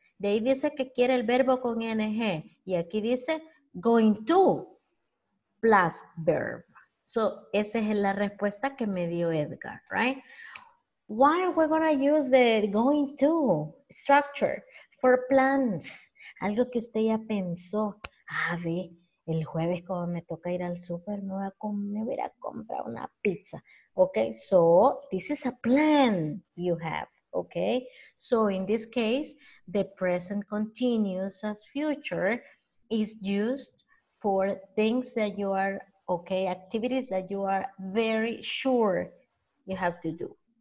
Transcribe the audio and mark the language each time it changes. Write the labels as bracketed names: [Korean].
[Spanish] De ahí dice que quiere el verbo con ng. Y aquí dice [English] going to plus verb. [Spanish] So esa es la respuesta que me dio Edgar, right? [English] Why are we going to use the going to structure? For plans. [Spanish] Algo que usted ya pensó. A ver, el jueves como me toca ir al super, me voy a comprar una pizza. [English] Okay, so this is a plan you have, okay? So in this case, the present continuous as future is used for things that you are, okay, activities that you are very sure you have to do.